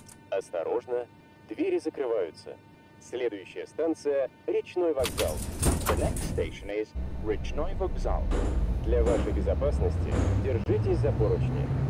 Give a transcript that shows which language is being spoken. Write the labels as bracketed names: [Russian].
[Russian] Осторожно, двери закрываются. Следующая станция – речной вокзал. [English] The next station is речной вокзал. [Russian] Для вашей безопасности держитесь за поручни.